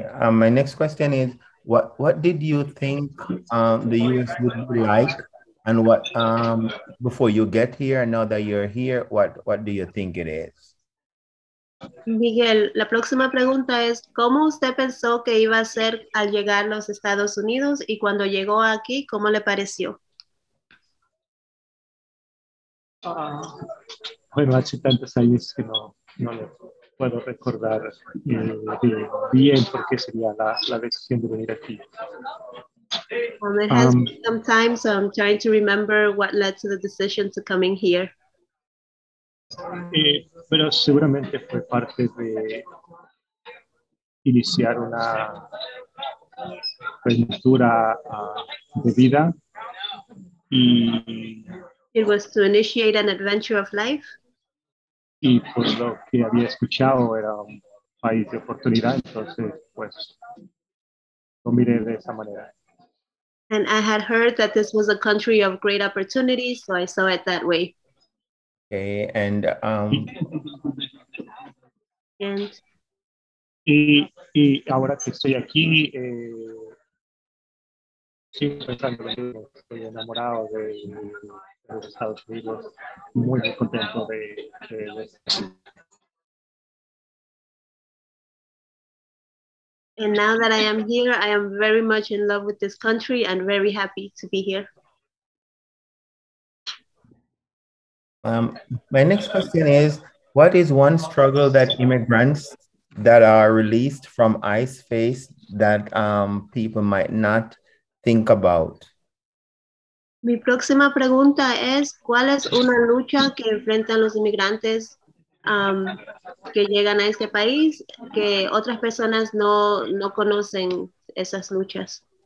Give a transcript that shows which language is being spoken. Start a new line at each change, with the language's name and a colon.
English: My next question is, what did you think the U.S. would be like, and what before you get here, now that you're here, what do you think it is?
Spanish: Miguel, la próxima pregunta es, ¿cómo usted pensó que iba a ser al llegar a los Estados Unidos, y cuando llegó aquí, cómo le pareció? Bueno, hace tantos años que no le puedo recordar bien por qué sería la decisión de venir aquí.
English: It has been some time, so I'm trying to remember what led to the decision to coming here.
Spanish: Pero seguramente fue parte de iniciar una aventura de vida. Y
English: it was to initiate an adventure of life.
Spanish: Y por lo que había escuchado, era un país de oportunidad, entonces pues lo miré de esa manera.
English: And I had heard that this was a country of great opportunities, so I saw it that way. Okay, and and
Spanish: y ahora que estoy aquí, estoy enamorado de los Estados Unidos, muy contento de estar.
English: And now that I am here, I am very much in love with this country and very happy to be here. My next question is, what is one struggle that immigrants that are released from ICE face that people might not think about?
Spanish: Mi próxima pregunta es, ¿cuál es una lucha que enfrentan los inmigrantes que llegan a este país, que otras personas no conocen esas luchas?